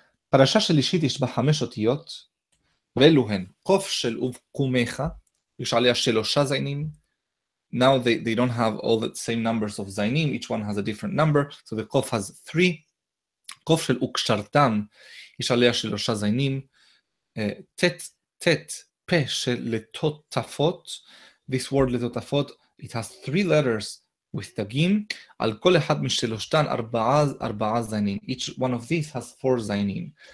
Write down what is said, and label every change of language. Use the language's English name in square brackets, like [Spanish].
[Hebrew] פרשה שלישית יש בה חמש אותיות, ואלו הן, קוף של ובקומך, יש עליה שלושה זיינים. [English] Now they don't have all the same numbers of זיינים, each one has a different number, so the קוף has three. [Hebrew] קוף של וקשרתם, יש עליה שלושה זיינים. תת, פה של לטוטפות, [English] this word [Hebrew] לטוטפות, [English] it has three letters with [Hebrew] תגים, על כל אחד משלושתן ארבעה זיינים, [English] each one of these has four [Hebrew] זיינים.